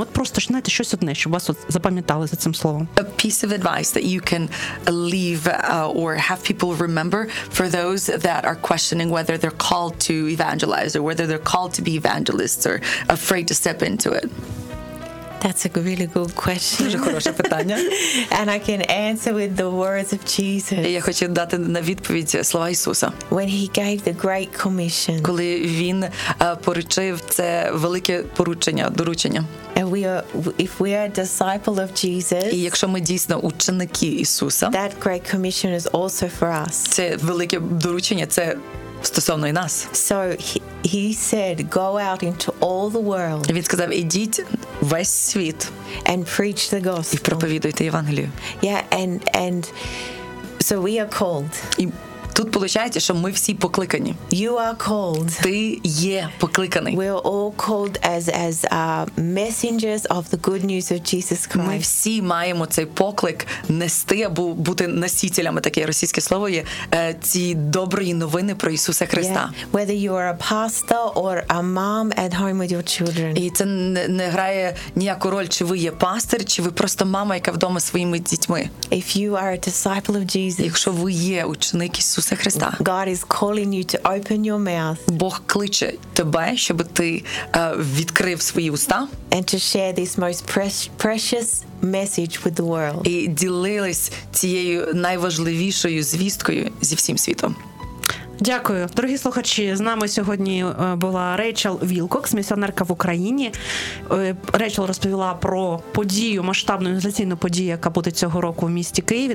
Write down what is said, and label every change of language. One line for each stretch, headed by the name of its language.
Ukrainian: От просто, знаєте, щось одне, щоб вас от запам'ятали за цим словом.
English: A piece of advice that you can leave or have people remember for those that are questioning whether they're called to evangelize or whether they're called to be evangelists or afraid to step into it. That's a really good question.
Ukrainian: Дуже хороше питання.
English: And I can answer with the words of Jesus.
Ukrainian: Я хочу дати на відповідь слова Ісуса.
English: When he gave the great commission.
Ukrainian: Коли він поручив це велике поручення, доручення.
English: And if we are a disciple of Jesus.
Ukrainian: І якщо ми дійсно ученики Ісуса.
English: That great commission is also for us.
Ukrainian: Це велике доручення, це стосовно і нас.
English: So he said, go out into all the world.
Ukrainian: Він сказав, ідіть весь світ.
English: And preach the gospel.
Ukrainian: І проповідуйте Євангелію.
English: Yeah, and so we are called.
Ukrainian: І тут виходить, що ми всі покликані.
English: You are called.
Ukrainian: Ти є покликаний.
English: We are all called as messengers of the good news of Jesus Christ.
Ukrainian: Ми всі маємо цей поклик нести або бути носителями, таке російське слово є, ці доброї новини про Ісуса Христа.
English: Yeah. Whether you are a pastor or a mom at home with your children.
Ukrainian: І це не грає ніяку роль, чи ви є пастир, чи ви просто мама, яка вдома своїми дітьми.
English: If you are a disciple of Jesus.
Ukrainian: Якщо ви є ученик Ісуса Христа.
English: God is calling you to open your mouth.
Ukrainian: Бог кличе тебе, щоб ти відкрив свої уста.
English: And to share this most precious message with the world.
Ukrainian: І ділились цією найважливішою звісткою зі всім світом. Дякую. Дорогі слухачі, з нами сьогодні була Рейчел Вілкокс, місіонерка в Україні. Рейчел розповіла про подію, масштабну інвестиційну подію, яка буде цього року в місті Києві.